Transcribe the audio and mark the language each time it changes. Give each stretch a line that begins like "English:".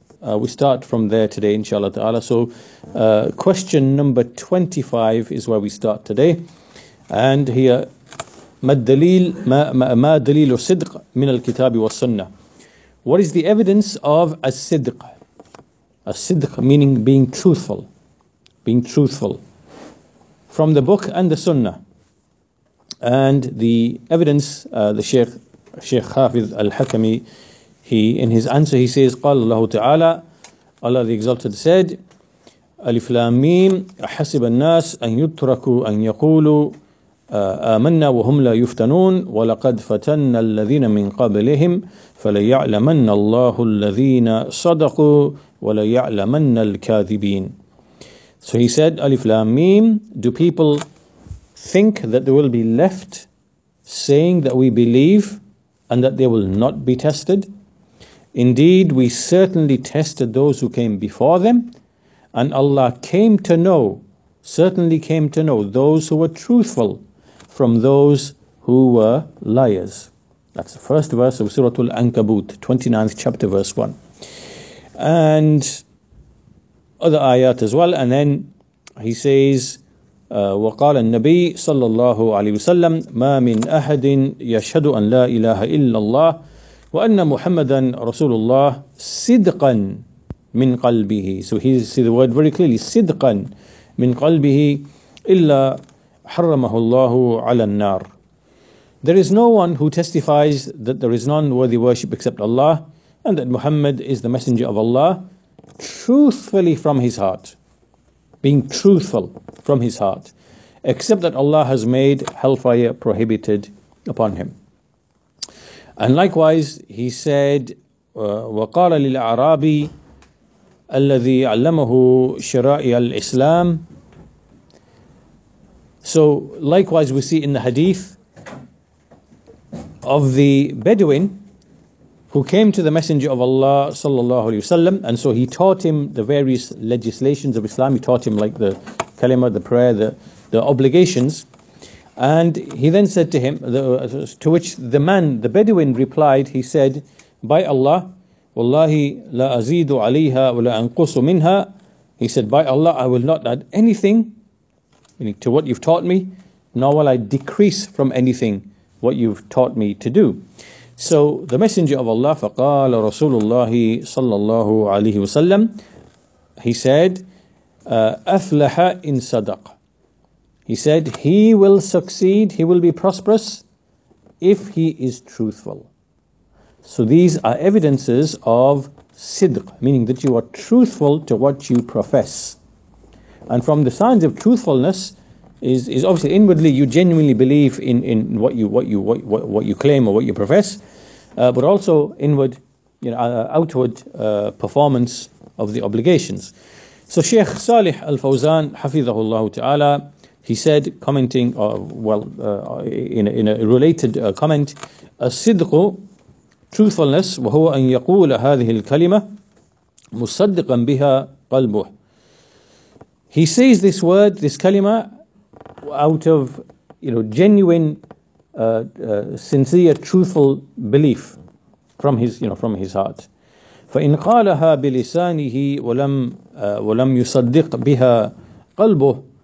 English: We start from there today, inshallah ta'ala. So question number 25 is where we start today, and here
Arabic: ما دليل صدق من الكتاب والسنة.
English: What is the evidence of as-sidq? As-sidq meaning being truthful. Being truthful from the book and the sunnah. And the evidence, the Sheikh Hafiz Al-Hakami, he in his answer, he says,
Arabic: قال الله تعالى,
English: Allah the Exalted said,
Arabic: أَلِفْ لَا مِيمْ أَحَسِبَ النَّاسِ أَنْ يُتْرَكُوا أَنْ يَقُولُوا آمَنَّا وَهُمْ لَا يُفْتَنُونَ وَلَقَدْ فَتَنَّ الَّذِينَ مِنْ قَبْلِهِمْ فَلَيَعْلَمَنَّ اللَّهُ الَّذِينَ صَدَقُوا وَلَيَعْلَمَنَّ الْكَاذِبِينَ.
English: So he said, Alif Lam Mim, do people think that they will be left saying that we believe and that they will not be tested? Indeed, we certainly tested those who came before them, And Allah came to know, certainly came to know, those who were truthful from those who were liars. That's the first verse of Surah Al-Ankabut, 29th chapter, verse 1. And other ayat as well. And then he says,
Arabic: وَقَالَ النَّبِيُّ صَلَّى اللَّهُ عَلَيْهِ وَسَلَّمَ مَا مِنْ أَحَدٍ يَشْهَدُ أَنْ لَا إِلَهَ إِلَّا اللَّهُ وَأَنَّ مُحَمَّدًا رَسُولُ اللَّهِ صِدْقًا مِنْ قَلْبِهِ.
English: So he says the word very clearly,
Arabic: صِدْقًا مِنْ قَلْبِهِ إِلَّا حَرَّمَهُ اللَّهُ عَلَى النَّارِ.
English: There is no one who testifies that there is none worthy worship except Allah, and that Muhammad is the messenger of Allah, truthfully from his heart, being truthful from his heart, except that Allah has made hellfire prohibited upon him. And likewise, he said,
Arabic: وَقَالَ لِلْأَعْرَابِ الَّذِي عَلَّمَهُ شَرَائِعَ الْإِسْلَامِ.
English: So likewise, we see in the hadith of the Bedouin who came to the Messenger of Allah sallallahu alayhi wasallam, and so he taught him the various legislations of Islam. He taught him like the kalima, the prayer, the obligations. And he then said to him, to which the man, the Bedouin, replied, he said, by Allah,
Arabic: wallahi la azidu alayha wa la anqusu minha.
English: He said, by Allah, I will not add anything to what you've taught me, nor will I decrease from anything what you've taught me to do. So the Messenger of Allah,
Arabic: فَقَالَ رَسُولُ اللَّهِ صَلَّى اللَّهُ عَلَيْهِ وَسَلَّمْ,
English: he said,
Arabic: أَفْلَحَ إِن صَدَقَ.
English: He said, he will succeed, he will be prosperous, if he is truthful. So these are evidences of صدق, meaning that you are truthful to what you profess. And from the signs of truthfulness, is obviously inwardly you genuinely believe in what you claim or what you profess, but also inward, outward performance of the obligations. So Sheikh Salih Al Fawzan, hafizahullahu ta'ala, he said, commenting in a related comment, as-sidqu, truthfulness,
Arabic: wa huwa an yaqula hadhihi al-kalima musaddiqan biha qalbuh.
English: He says this word, this kalima, out of genuine sincere truthful belief from his from his heart.
Arabic: فإن قالها بلسانه ولم يصدق بها قلبه.